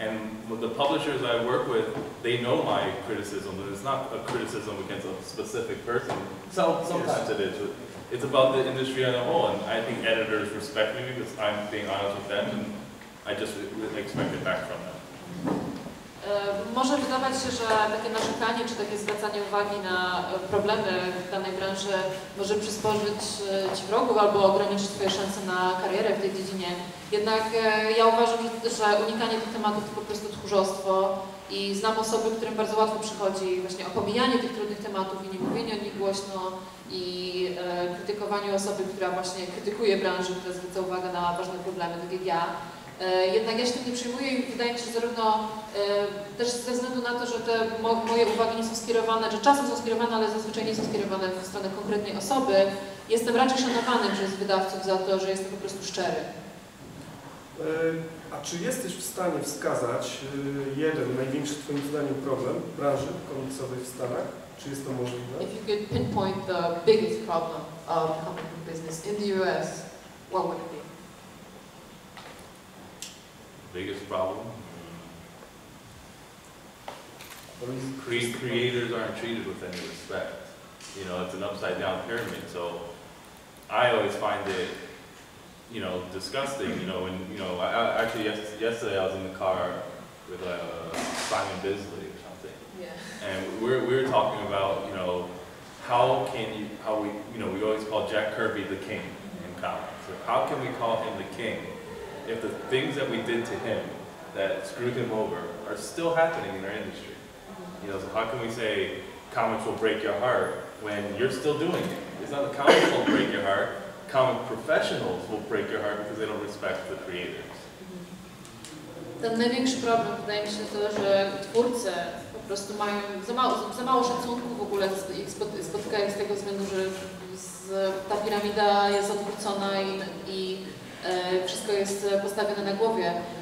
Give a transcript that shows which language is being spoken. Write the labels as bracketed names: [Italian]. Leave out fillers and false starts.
[English] And the publishers I work with, they know my criticism, and it's not a criticism against a specific person. So sometimes yes. It is. It's about the industry as a whole, and I think editors respect me because I'm being honest with them, and I just expect it back from them. [Polish] Może wydawać się, że takie narzekanie, czy takie zwracanie uwagi na problemy w danej branży może przysporzyć ci wrogów albo ograniczyć twoje szanse na karierę w tej dziedzinie. Jednak ja uważam, że unikanie tych tematów to po prostu tchórzostwo i znam osoby, którym bardzo łatwo przychodzi właśnie opomijanie tych trudnych tematów i nie mówienie o nich głośno i krytykowanie osoby, która właśnie krytykuje branżę, która zwraca uwagę na ważne problemy, tak jak ja. Jednak ja się tym nie przyjmuję i wydaje mi się, że zarówno też ze względu na to, że te moje uwagi nie są skierowane, że czasem są skierowane, ale zazwyczaj nie są skierowane w stronę konkretnej osoby, jestem raczej szanowany przez wydawców za to, że jestem po prostu szczery. A czy jesteś w stanie wskazać jeden największy twoim zdaniem problem w branży komiksowej w Stanach? Czy jest to możliwe? [English] If you could pinpoint the biggest problem of comic book business in the US, what would it be? Biggest problem? Creators aren't treated with any respect. You know, it's an upside down pyramid. So I always find it, you know, disgusting. You know, and you know, yesterday I was in the car with Simon Bisley or something. Yeah. And we were talking about, you know, how we always call Jack Kirby the king in comics. So how can we call him the king if the things that we did to him that screwed him over are still happening in our industry? You know, so how can we say comics will break your heart when you're still doing it? It's not the comics will break your heart, comic professionals will break your heart because they don't respect the creators. [Polish] Ten największy problem wydaje mi się to, że twórcy po prostu mają za mało szacunku w ogóle spotykają z tego względu, że ta piramida jest odwrócona i wszystko jest postawione na głowie.